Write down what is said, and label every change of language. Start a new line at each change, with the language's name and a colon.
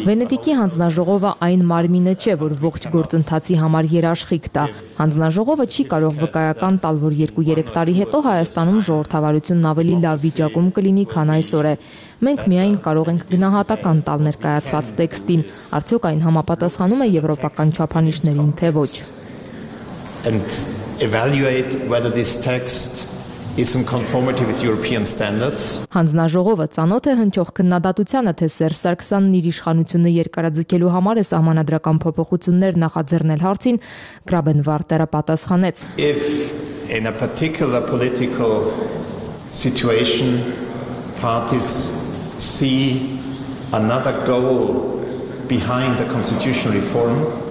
Armenian: Վենետիկի հանձնաժողովը այն մարմինը չէ, որ ողջ գործընթացի համար երաշխիք տա։ Հանձնաժողովը չի կարող վկայական տալ, որ 2-3 տարի հետո Հայաստանում ժողովրդավարությունն ավելի լավ վիճակում կլինի, քան այսօր է։ Մենք միայն կարող ենք գնահատական տալ ներկայացված տեքստին, արդյոք այն համապատասխանում է եվրոպական չափանիշներին, թե ոչ։
English: And evaluate whether this text is in conformity with European standards.
Armenian: Հանձնաժողովը ցանոթ է հնչող քննադատությանը, թե Սերժ Սարգսյանն իր իշխանությունը երկարաձգելու համար է սահմանադրական փոփոխություններ նախաձեռնել հարցին, Գրաբենվարտերը պատասխանեց.
English: If in a particular political situation parties see another goal behind the constitutional reform.